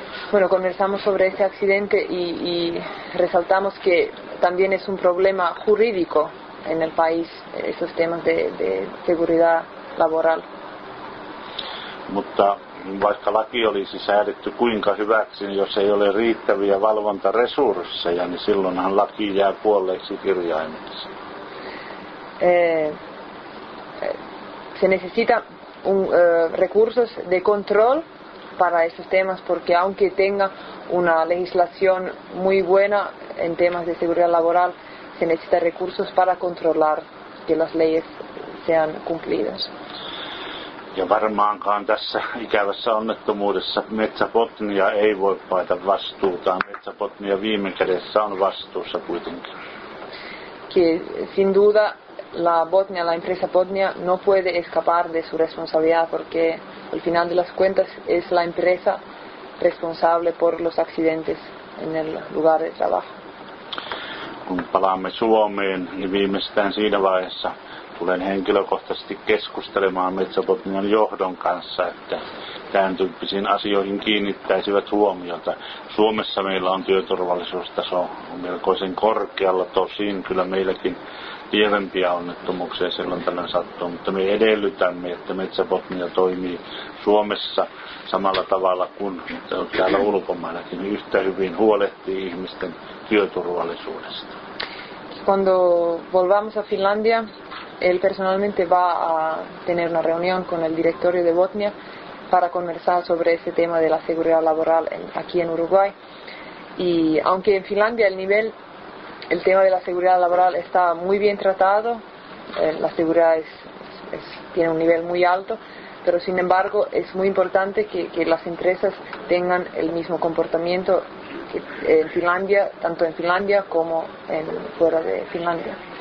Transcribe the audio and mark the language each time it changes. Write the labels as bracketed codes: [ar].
[es] Bueno, conversamos sobre este accidente y resaltamos que también es un problema jurídico en el país esos temas de seguridad laboral. [fi] Mutta vaikka laki olisi säädetty kuinka hyväksi, niin jos ei ole riittäviä valvontaresursseja, niin silloinhan laki jää kuolleeksi kirjaimeksi. [es] Se necesita recursos de control para estos temas, porque aunque tenga una legislación muy buena en temas de seguridad laboral, se necesita recursos para controlar que las leyes sean cumplidas. [fi] Ja varmaankaan tässä ikävässä onnettomuudessa Metsäbotnia ei voi paeta vastuutaan. Metsäbotnia viime kädessä on vastuussa kuitenkin. [es] Que sin duda la Botnia, la empresa Botnia, no puede escapar de su responsabilidad porque al final de las cuentas es la empresa responsable por los accidentes en el lugar de trabajo. [fi] Kun palaamme Suomeen, niin viimeistään siinä vaiheessa tulen henkilökohtaisesti keskustelemaan Metsäbotnian johdon kanssa, että tämän tyyppisiin asioihin kiinnittäisivät huomiota. Suomessa meillä on työturvallisuustaso melkoisen korkealla, tosin kyllä meilläkin lievempiä onnettomuuksia silloin tällöin sattuu, mutta me edellytämme, että Metsäbotnia toimii Suomessa samalla tavalla kuin täällä ulkomaillakin, yhtä hyvin huolehtii ihmisten työturvallisuudesta. [es] Cuando volvamos a Finlandia, él personalmente va a tener una reunión con el directorio de Botnia para conversar sobre ese tema de la seguridad laboral aquí en Uruguay. Y aunque en Finlandia el tema de la seguridad laboral está muy bien tratado, la seguridad tiene un nivel muy alto, pero sin embargo es muy importante que las empresas tengan el mismo comportamiento en Finlandia, tanto en Finlandia como fuera de Finlandia.